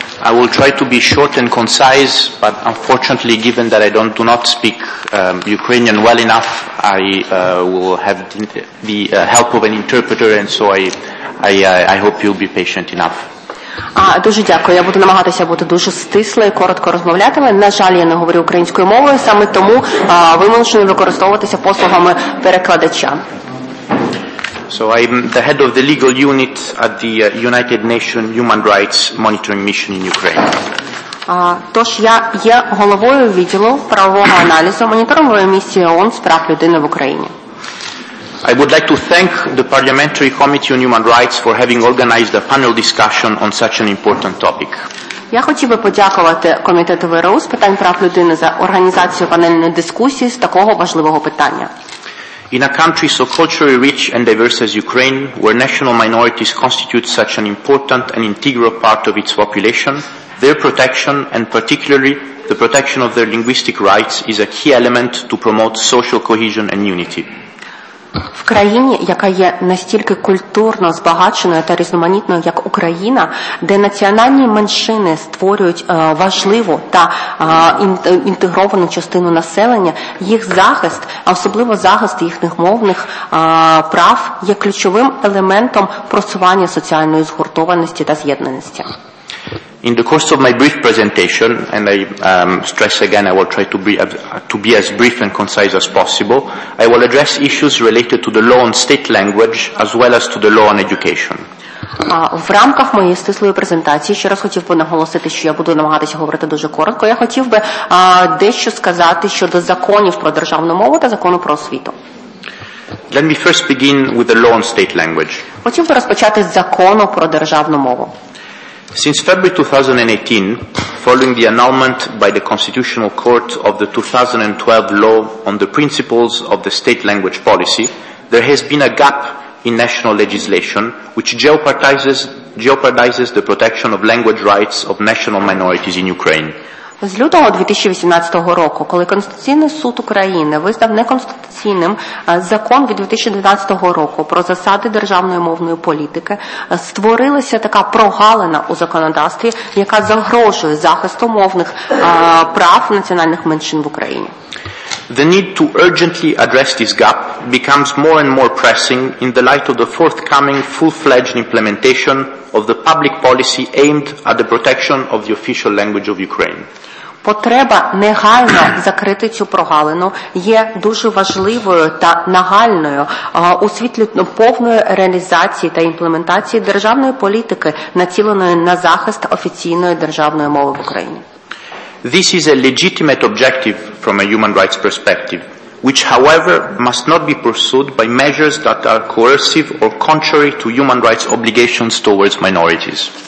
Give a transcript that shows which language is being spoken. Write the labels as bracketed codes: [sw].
[en] I will try to be short and concise, but unfortunately, given that I do not speak Ukrainian well enough, I will have the help of an interpreter, and so I hope you'll be patient enough. [uk] Дуже дякую. Я буду намагатися бути дуже стислою, коротко розмовлятиме. На жаль, я не говорю українською мовою, саме тому вимушені використовуватися послугами перекладача. [en] So I'm the head of the legal unit at the United Nations Human Rights Monitoring Mission in Ukraine. [uk] Тож я є головою відділу правового аналізу моніторингової місії ООН з прав людини в Україні. [en] I would like to thank the Parliamentary Committee on Human Rights for having organized a panel discussion on such an important topic. [uk] Я хотів би подякувати Комітету ВРУ з питань прав людини за організацію панельної дискусії з такого важливого питання. [en] In a country so culturally rich and diverse as Ukraine, where national minorities constitute such an important and integral part of its population, their protection, and particularly the protection of their linguistic rights, is a key element to promote social cohesion and unity. [uk] В країні, яка є настільки культурно збагаченою та різноманітною, як Україна, де національні меншини створюють важливу та інтегровану частину населення, їх захист, особливо захист їхніх мовних прав, є ключовим елементом просування соціальної згуртованості та з'єднаності. [en] In the course of my brief presentation, and I stress again, I will try to be as brief and concise as possible, I will address issues related to the law on state language as well as to the law on education. [uk] В рамках моєї стислої презентації, ще раз хотів би наголосити, що я буду намагатися говорити дуже коротко, я хотів би дещо сказати щодо законів про державну мову та закону про освіту. [en] Let me first begin with the law on state language. [uk] Хотів би розпочати з закону про державну мову. [en] Since February 2018, following the annulment by the Constitutional Court of the 2012 law on the principles of the state language policy, there has been a gap in national legislation, which jeopardizes the protection of language rights of national minorities in Ukraine. [uk] З лютого 2018 року, коли Конституційний суд України визнав неконституційним закон від 2012 року про засади державної мовної політики, створилася така прогалина у законодавстві, яка загрожує захисту мовних прав національних меншин в Україні. [en] The need to urgently address this gap becomes more and more pressing in the light of the forthcoming full-fledged implementation of the public policy aimed at the protection of the official language of Ukraine. [uk] Потреба негайно закрити цю прогалину є дуже важливою та нагальною у світлі повної реалізації та імплементації державної політики, націленої на захист офіційної державної мови в Україні. [en] This is a legitimate objective from a human rights perspective, which, however, must not be pursued by measures that are coercive or contrary to human rights obligations towards minorities.